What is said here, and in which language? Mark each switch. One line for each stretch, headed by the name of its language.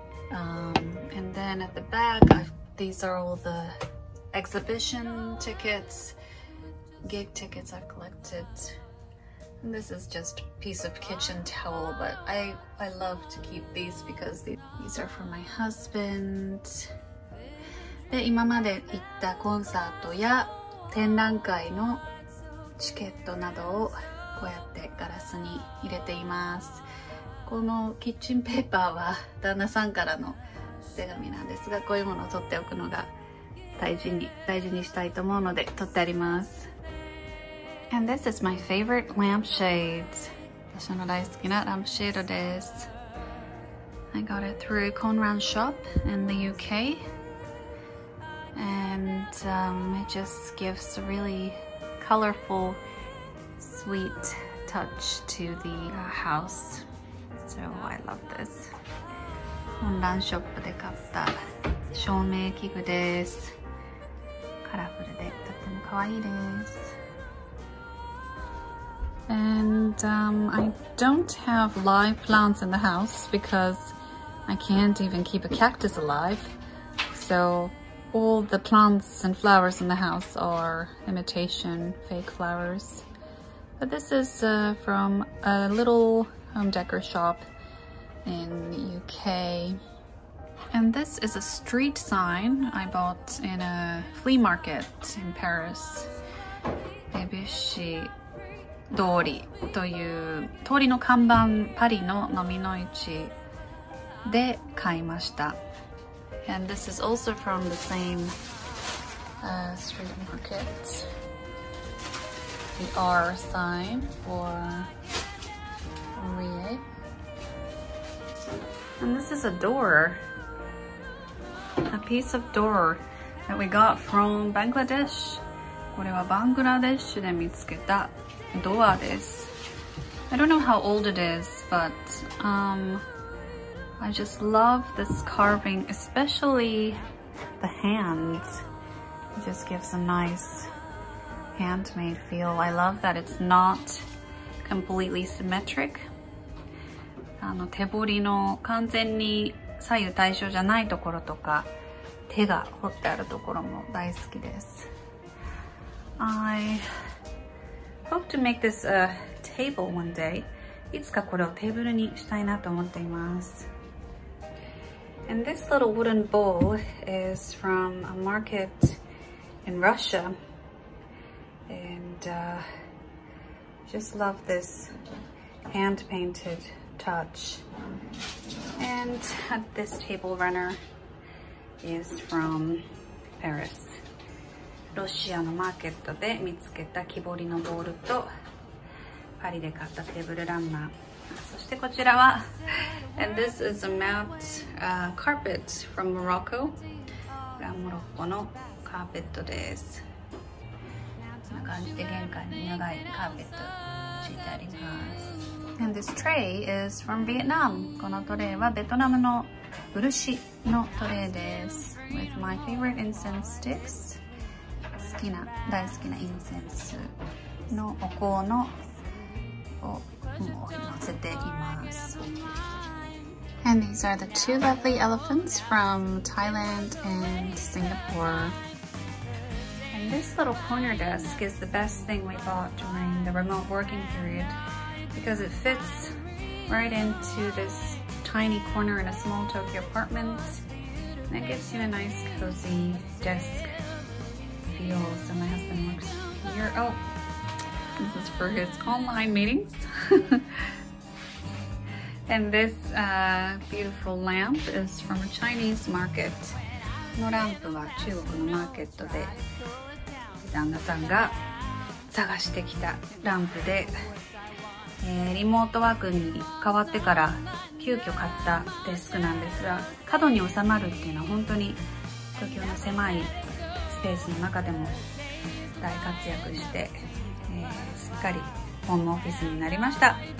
English: And then at the back, these are all the exhibition tickets, gig tickets I've collected. This is just a piece of kitchen towel, but I love to keep these because these are for my husband.
Japanese: で、今まで行ったコンサートや展覧会のチケットなどをこうやってガラスに入れています。このキッチンペーパーは旦那さんからの手紙なんですが、こういうものを取っておくのが大事にしたいと思うので取ってあります。
English: And this is my favorite lampshades.
Japanese: 私の大好きなランプシェードです。
English: I got it through Conran shop in the UK. And it just gives a really colorful, sweet touch to the house. So I love this.
Japanese: Conran shop で買った照明器具です。カラフルでとても可愛いです。
English: And I don't have live plants in the house because I can't even keep a cactus alive. So all the plants and flowers in the house are imitation, fake flowers. But this is from a little home decor shop in the UK. And this is a street sign I bought in a flea market in Paris.
Japanese: Debussy 通りという通りの看板、パリの蚤の市で買いました。
English: And this is also from the same street market. The R sign for Rie. And this is a door. A piece of door that we got from Bangladesh.
Japanese: これはバングラデシュで見つけた。ドアです。
English: I don't know how old it is, but I just love this carving, especially the hands. It just gives a nice handmade feel. I love that it's not completely symmetric.
Japanese: 手彫りの完全に左右対称じゃないところとか、手が彫ってあるところも大好きです。
English: I hope to make this a table one day.
Japanese: いつかこれをテーブルにしたいなと思っています。
English: And this little wooden bowl is from a market in Russia. And just love this hand-painted touch. And this table runner is from Paris.
Japanese: ロシアのマーケットで見つけた木彫りのボールと、パリで買ったテーブルランナー。そしてこちらは、
English: And this is a mat carpet from Morocco.
Japanese: モロッコのカーペットです。こんな感じで玄関に長いカーペット敷いてあります。
English: And this tray is from Vietnam.
Japanese: このトレーはベトナムの漆のトレーです。
English: With my favorite incense sticks.
Japanese: 好きな、大好きなインセンスのお香のを載せています。
English: And these are the two lovely elephants from Thailand and Singapore. And this little corner desk is the best thing we bought during the remote working period. Because it fits right into this tiny corner in a small Tokyo apartment. And it gives you a nice cozy desk feel. So my husband works here. Oh, this is for his online meetings. And this beautiful lamp is from a Chinese market.
Japanese: このランプは中国のマーケットで旦那さんが探してきたランプで、リモートワークに変わってから急遽買ったデスクなんですが、角に収まるっていうのは本当に東京の狭いスペースの中でも大活躍して、すっかりホームオフィスになりました。